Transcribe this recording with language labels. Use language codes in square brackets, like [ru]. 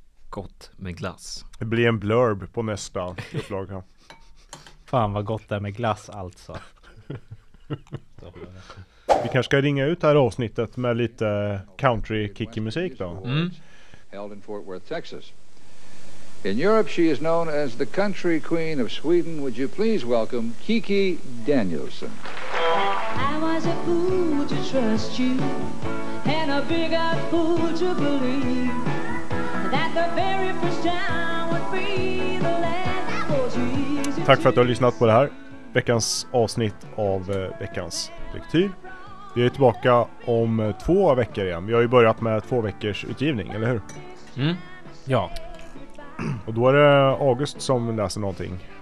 [sv] Gott med glass. Det blir en blurb på nästa upplaga. Fan vad gott det med glass alltså. Vi kanske ska ringa ut det här avsnittet med lite country kicky musik då. [en] Held in Fort Worth, Texas. In Europe, she is known as the country queen of Sweden. Would you please welcome Kiki Danielsson? I was a fool to trust you, and a bigger fool to believe that the very first time would be the last. [sv] Tack för att du har lyssnat på det här veckans avsnitt av veckans lektyr. Vi är tillbaka om 2 veckor igen. Vi har ju börjat med 2 veckors utgivning, eller hur? Ja. Och då är det August som läser någonting.